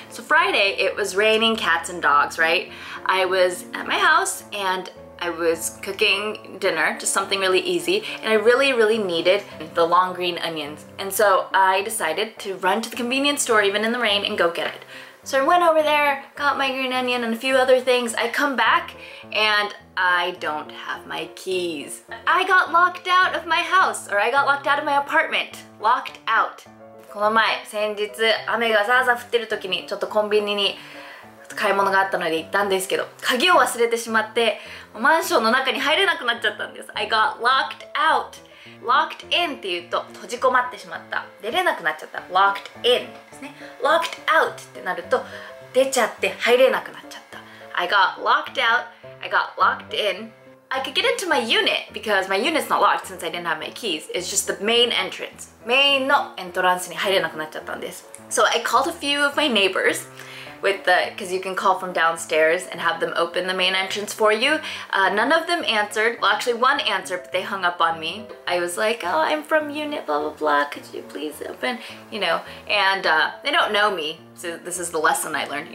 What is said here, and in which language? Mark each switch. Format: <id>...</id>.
<en>So Friday, it was raining cats and dogs, right? I was at my house and I was cooking dinner, just something really easy, and I really, really needed the long green onions. And so I decided to run to the convenience store, even in the rain, and go get it. So I went over there, got my green onion and a few other things. I come back, and I don't have my keys. I got locked out of my house, or I got locked out of my apartment. Locked out.</en> <ja>この前、先日雨がザーザー降ってる時にちょっとコンビニに買い物があったので行ったんですけど、鍵を忘れてしまってマンションの中に入れなくなっちゃったんです。</ja> <en>I got locked out. Locked in</en> <ja>っていうと閉じこまってしまった、出れなくなっちゃった。</ja> <en>Locked in</en> <ja>ですね。</ja> <en>Locked out</en> <ja>ってなると出ちゃって入れなくなっちゃった。</ja> <en>I got locked out. I got locked in. I could get into my unit because my unit's not locked since I didn't have my keys. It's just the main entrance.</en> <ja>メインのエントランスに入れなくなっちゃったんです。</ja> <en>So I called a few of my neighbors. Because you can call from downstairs and have them open the main entrance for you. None of them answered. Well, actually one answered, but they hung up on me. I was like, oh, I'm from unit blah blah blah, could you please open, you know. And they don't know me, so this is the lesson I learned.</en>